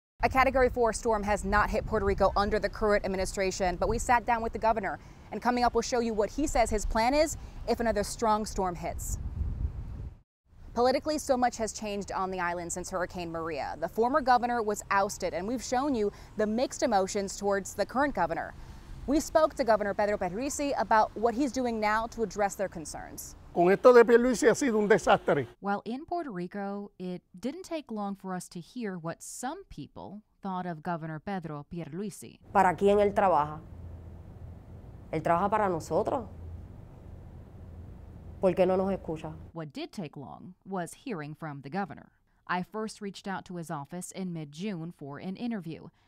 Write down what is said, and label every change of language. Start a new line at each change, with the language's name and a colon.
English: A Category 4 storm has not hit Puerto Rico under the current administration, but we sat down with the governor, and coming up, we'll show you what he says his plan is if another strong storm hits. Politically, so much has changed on the island since Hurricane Maria. The former governor was ousted, and we've shown you the mixed emotions towards the current governor. We spoke to Governor Pedro Pierluisi about what he's doing now to address their concerns.
Spanish: Con esto de Pierluisi ha sido un desastre.
English: While in Puerto Rico, it didn't take long for us to hear what some people thought of Governor Pedro Pierluisi.
Spanish: ¿Para quién él trabaja? Él trabaja para nosotros. ¿Por qué no nos escucha?
English: What did take long was hearing from the governor. I first reached out to his office in mid-June for an interview.